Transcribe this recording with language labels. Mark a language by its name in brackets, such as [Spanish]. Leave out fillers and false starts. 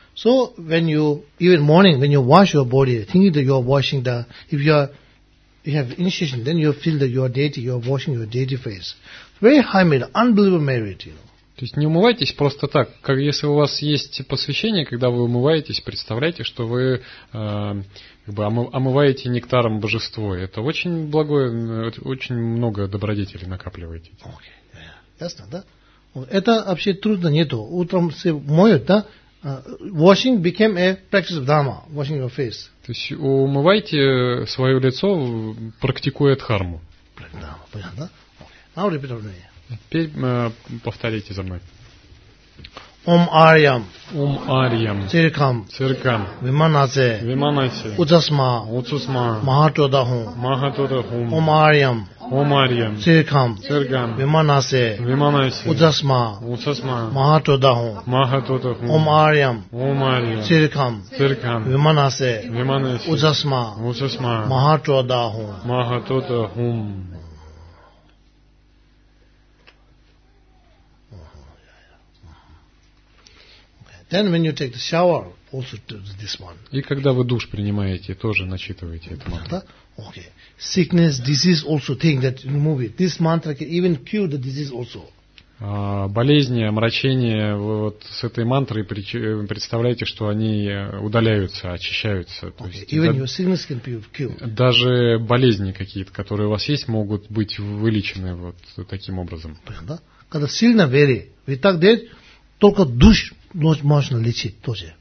[English] So, when you, even morning, when you wash your body, thinking that you are washing the, if you are, you have initiation, then you feel that you are deity, you are washing your deity face. Very high merit, unbelievable merit, you know. [Russian] То есть не умывайтесь просто так. Как если у вас есть посвящение, когда вы умываетесь, представляете, что вы как бы омываете нектаром божество. Это очень благое, очень много добродетелей накапливаете. Okay. Ясно, да? Это вообще трудно нету. Утром все моют, да? [English] Washing became a practice of dharma, washing your face. [Russian] То есть умывайте свое лицо, практикуя дхарму. Дхарма, понятно? [English] Now repeat after me. [Russian] Теперь повторите за мной. [Sanskrit] Ом Арьям. Ом Арьям. Циркам. Циркам. Виманасе. Виманасе. Уцусма. Уцусма. Махатодаху. Махатодаху. Ом Арьям. Ом Арьям. Циркам. Циркам. Виманасе. Виманасе. Уцусма. Уцусма. Махатодаху. Махатодаху. Ом Арьям. Ом Арьям. Циркам. Циркам. Виманасе. Виманасе. Уцусма. Уцусма. Махатодаху. Махатодаху. [English] Then when you take the shower, also do this one. [Russian] И когда вы душ принимаете, тоже начитываете эту мантру. [English] Okay. Sickness, disease also thing that remove it. This mantra can even cure the disease also. [Russian] Болезни, омрачения, вы вот с этой мантрой представляете, что они удаляются, очищаются. [English] Okay. [Russian] То есть, [English] even your sickness can be cured. [Russian] Даже болезни какие-то, которые у вас есть, могут быть вылечены вот таким образом. Да? Когда сильно вере, вы так делаете, только душ можно лечить тоже.